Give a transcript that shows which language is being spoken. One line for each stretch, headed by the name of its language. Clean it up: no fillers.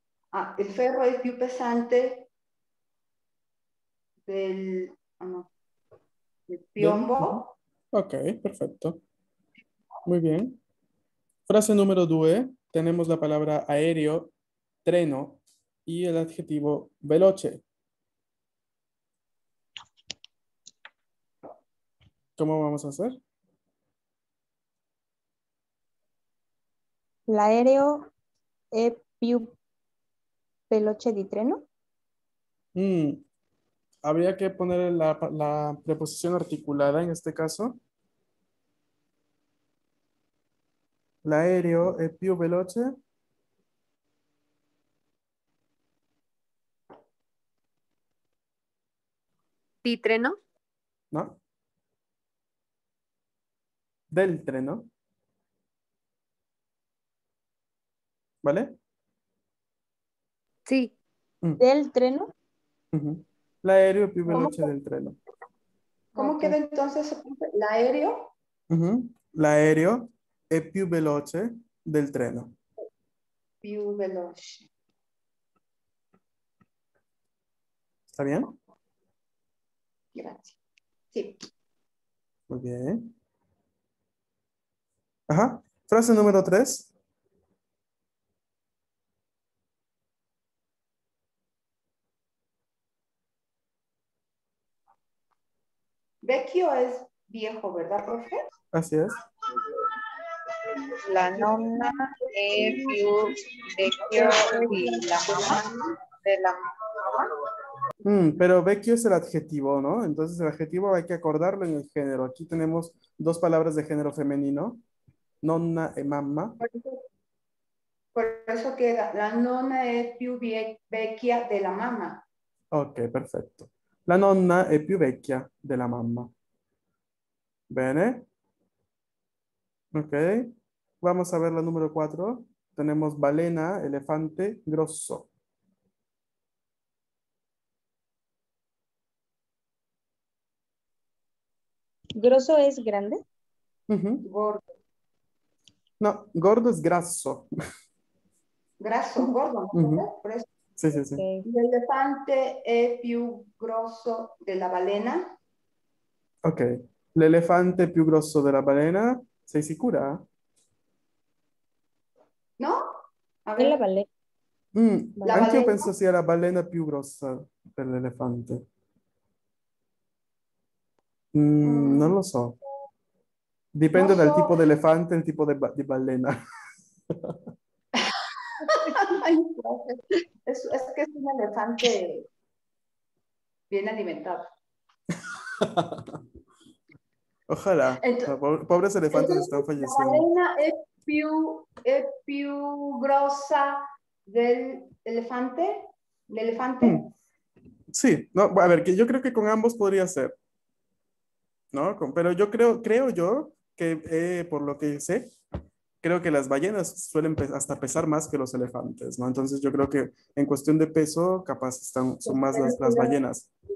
Italian: Ah, il ferro è più pesante del piombo.
Spanish: Ok, perfetto. Muy bien. Frase número 2. Tenemos la palabra aéreo, treno y el adjetivo veloce. ¿Cómo vamos a hacer?
Italian: L'aereo è più veloce di treno.
Spanish: Habría que poner la preposición articulada en este caso.
Italian: L'aereo è più veloce. Di treno?
Spanish: No.
Italian: Del treno.
Spanish: ¿Vale? Sí.
Italian: Del treno. L'aereo è più veloce del treno.
Spanish: ¿Cómo queda entonces l'aereo?
Italian: L'aereo è più veloce del treno. Più veloce.
Spanish: ¿Está bien? Gracias. Sí. Muy bien. Ajá. Frase número 3. Vecchio es viejo, ¿verdad, profe? Así es.
Italian: La nonna è più vecchio di la mamma de la mamma.
Spanish: Pero vecchio es el adjetivo, ¿no? Entonces el adjetivo hay que acordarlo en el género. Aquí tenemos dos palabras de género femenino.
Italian: Nonna e mamma.
Spanish: Por eso queda,
Italian: la nonna è più vecchia della mamma.
Spanish: Ok, perfecto.
Italian: La nonna è più vecchia della mamma.
Spanish: Bene. Ok. Vamos a ver la número 4. Tenemos balena, elefante, grosso. ¿Grosso es grande? Gordo. No, gordo es graso. Graso, gordo. Sí, sí, sí. Okay. ¿El elefante es
Italian: più grosso
Spanish: de la balena? Ok. ¿El elefante più grosso de la balena?
Italian: ¿Sei sicura?
Spanish: No. A ver. La balena. Anche yo pensé si era la balena
Italian: più grossa
Spanish: del elefante.
Italian: No lo so.
Spanish: Depende del tipo de elefante, el tipo de balena. Es que es un elefante bien alimentado. Ojalá. Entonces, pobres elefantes entonces, están falleciendo. La balena es
Italian: più grossa
Spanish: del elefante. ¿El elefante? Sí, no, a ver, que yo creo que con ambos podría ser. No, pero yo creo yo que por lo que sé, creo que las ballenas suelen hasta pesar más que los elefantes, ¿no? Entonces yo creo que en cuestión de peso, capaz son más las ballenas.